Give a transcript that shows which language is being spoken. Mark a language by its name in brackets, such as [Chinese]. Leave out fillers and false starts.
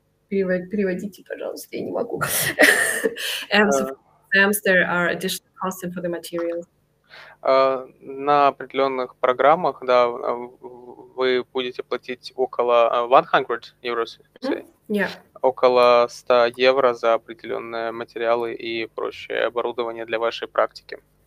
[Russian] Переводите, пожалуйста, я не могу. [English] So for exams, there are additional costs for the materials. [Russian] На определенных программах, да, вы будете платить около 100 euros, около 100 евро за определенные материалы и прочее оборудование для вашей практики.